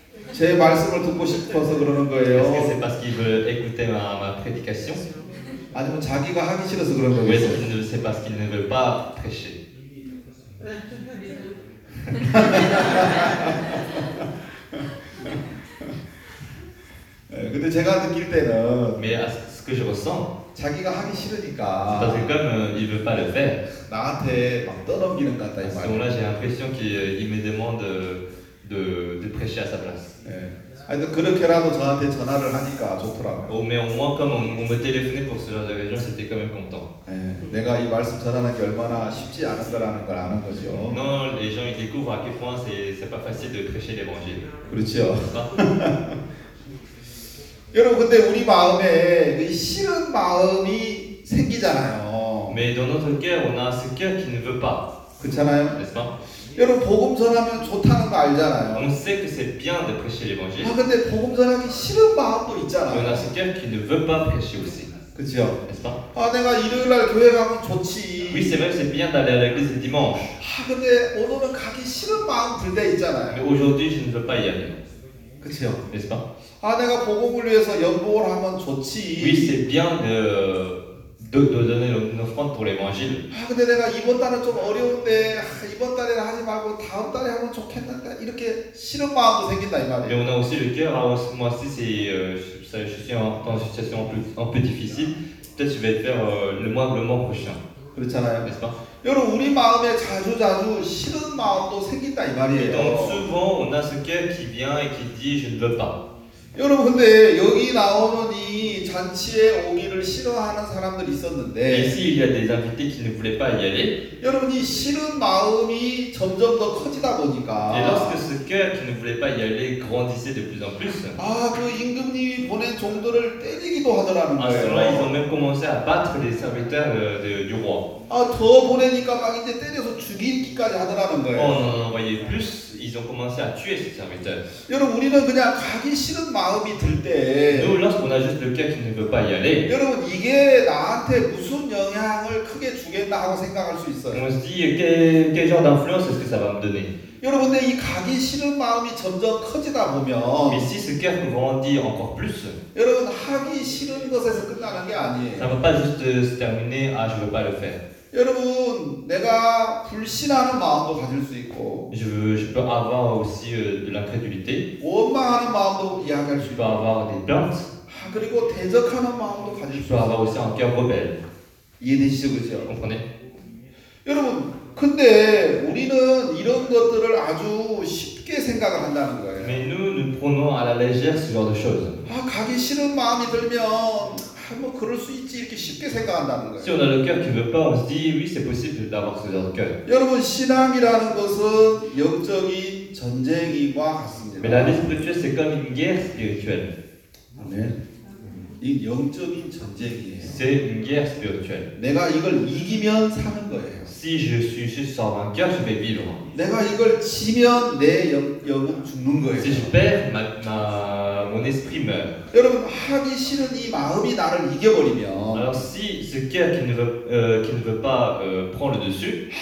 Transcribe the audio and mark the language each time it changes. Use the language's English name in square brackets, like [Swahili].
[Korean] 제 말씀을 듣고 싶어서 그러는 거예요. [French] Est-ce que c'est parce qu'ils veulent écouter ma prédication? [Korean] 아니면 자기가 하기 싫어서 그런 거예요. [French] Oui, c'est parce qu'ils ne veulent pas prêcher. [Korean] 근데 제가 느낄 때는 [French] Mais ce que je ressens [Korean] 자기가 하기 싫으니까 [French] parce que comme il veut pas le faire [Korean] 나한테 막 떠넘기는 것 같다 이 말이야. [French] Donc là j'ai l'impression qu'il me demande de prêcher à sa place. [Korean] 하여튼 그렇게라도 저한테 전화를 하니까 좋더라고요. [French] Oh, mais au moins comme on me téléphonait pour ce genre de raison, j'étais quand même content. [Korean] 내가 이 말씀 전하는 게 얼마나 쉽지 않은가라는 걸 아는 거죠. [French] Non, les gens ils découvrent à quel point c'est pas facile de prêcher l'évangile. [Korean] 그렇죠. 여러분 근데 우리 마음에 그 싫은 마음이 생기잖아요. [French] Mais dans notre cœur, on a ce cœur qui ne veut pas. [Korean] 그렇잖아요. [French] N'est-ce pas? [Korean] 여러분 복음 전하면 좋다는 거 알잖아요. [French] On sait que c'est bien de prêcher l'évangile. [Korean] 아 근데 복음 전하기 싫은 마음도 있잖아요. [French] On a ce cœur qui ne veut pas prêcher aussi. [Korean] 그렇죠. [French] N'est-ce pas? [Korean] 아 내가 일요일 날 교회 가면 좋지. [French] Oui, c'est vrai, c'est bien d'aller à l'église dimanche. [Korean] 아 근데 오늘은 가기 싫은 마음 들 때 있잖아요. [French] Mais aujourd'hui, je ne veux pas y aller. [Korean] 그렇죠. [French] N'est-ce pas? [Korean] 아 내가 복음을 위해서 연봉을 하면 좋지. [French] Oui, c'est bien de donner une offrande pour l'évangile. [Korean] 아 근데 내가 이번 달은 좀 어려운데 이번 달에는 하지 말고 다음 달에 하면 좋겠는데 이렇게 싫은 마음도 생긴다 이 말이에요. [French] Mais on a aussi le cœur. Ah, ce mois-ci, je suis dans une situation un peu difficile. Peut-être je vais le faire le mois prochain. [Korean] 그렇잖아요. [French] N'est-ce pas? [Korean] 여러분 우리 마음에 자주 싫은 마음도 생긴다 이 말이에요. [French] Et donc souvent on a ce cœur qui vient et qui dit je ne veux pas. [Korean] 여러분 근데 여기 나오는 이 잔치에 오기를 싫어하는 사람들 있었는데 [French] ici il y a des invités qui ne voulaient pas y aller. [Korean] 여러분 이 싫은 마음이 점점 더 커지다 보니까 [French] et lorsque ce cœur qui ne voulait pas y aller grandissait de plus en plus. [Korean] 아 그 임금님이 보낸 종들을 때리기도 하더라는 거예요. [French] Alors là, ils ont même commencé à battre les serviteurs du roi. [Korean] 아 더 보내니까 막 이제 때려서 죽이기까지 하더라는 거예요. [French] Oh non, voyez plus. Ils ont commencé à tuer ces serviteurs. [Korean] 여러분 우리는 그냥 가기 싫은 마음이 들 때. [French] Nous, lorsqu'on a juste le cœur qui ne veut pas y aller. [Korean] 여러분 이게 나한테 무슨 영향을 크게 주겠나 하고 생각할 수 있어요. [French] On se dit quel genre d'influence est-ce que ça va me donner? [Korean] 여러분 근데 이 가기 싫은 마음이 점점 커지다 보면. [French] Mais si ce cœur grandit encore plus. [Korean] 여러분 하기 싫은 것에서 끝나는 게 아니에요. [French] Ça va pas juste se terminer. Ah, je veux pas le faire. [Korean] 여러분, 내가 불신하는 마음도 가질 수 있고. [French] Je peux avoir aussi de l'incrédulité. [Korean] 원망하는 마음도 이야기할 수 있고. [French] Je peux avoir des plaintes. [Korean] 아, 그리고 대적하는 마음도 가질 수 있고. [French] Je peux avoir aussi un cœur rebelle. [Korean] 이해되시죠, 그죠? [French] Comprenez? [Korean] 여러분, 근데 우리는 이런 것들을 아주 쉽게 생각을 한다는 거예요. [French] Mais nous prenons à la légère ce genre de choses. [Korean] 아, 가기 싫은 마음이 들면. 뭐 그럴 수 있지 이렇게 쉽게 생각한다는 거예요. [French] Si on a le cœur qui veut pas, on se dit oui, c'est possible d'avoir ce genre de cœur. [Korean] 여러분 신앙이라는 것은 영적인 전쟁이와 같습니다. [French] Mais la vie spirituelle c'est comme une guerre spirituelle. [Korean] 아멘. 이 영적인 전쟁이에요. [French] C'est une guerre spirituelle. [Korean] 내가 이걸 이기면 사는 거예요. [French] Si je suis juste en vainqueur, je vais vivre. [Korean] 내가 이걸 지면 내 영은 죽는 거예요. [French] Si je perds, mon esprit meurt. [Korean] 여러분 하기 싫은 이 마음이 나를 이겨버리면. [French] Alors si ce cœur qui ne veut pas prend le dessus.